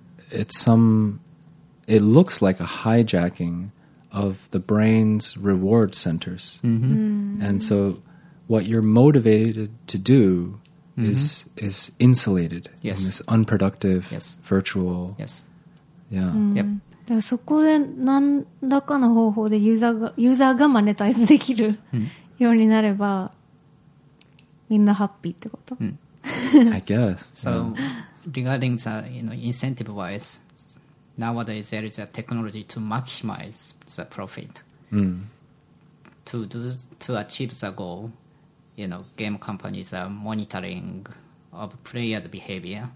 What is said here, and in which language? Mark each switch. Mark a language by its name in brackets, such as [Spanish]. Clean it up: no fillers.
[English] It looks like a hijacking of the brain's reward centers. And so what you're motivated to do is insulated in this unproductive virtual. [Japanese] でもそこで何らかの方法でユーザーがマネタイズできるようになればみんなハッピーってこと? [English] I guess. So regarding the, you know, incentive wise, nowadays there is a technology to maximize the profit. To achieve the goal, you know, game companies are monitoring of player's behavior.